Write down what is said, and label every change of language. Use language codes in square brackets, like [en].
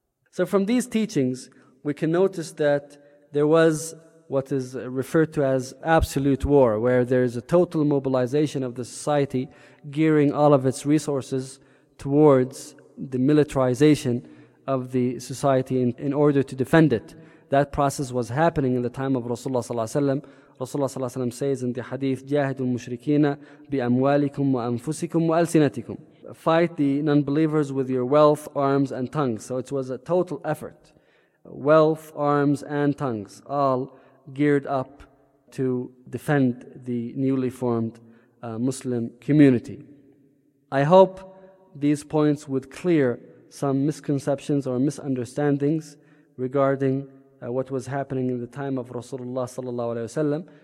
[en] So from these teachings, we can notice that there was what is referred to as absolute war, where there is a total mobilization of the society, gearing all of its resources towards the militarization of the society in order to defend it. That process was happening in the time of Rasulullah ﷺ. Rasulullah ﷺ says in the hadith, [ar] جَاهِدُ الْمُشْرِكِينَ بِأَمْوَالِكُمْ وَأَنفُسِكُمْ وَأَلْسِنَتِكُمْ. [en] Fight the non-believers with your wealth, arms, and tongues. So it was a total effort. Wealth, arms, and tongues, all geared up to defend the newly formed Muslim community. I hope these points would clear some misconceptions or misunderstandings regarding what was happening in the time of Rasulullah sallallahu alaihi wasallam.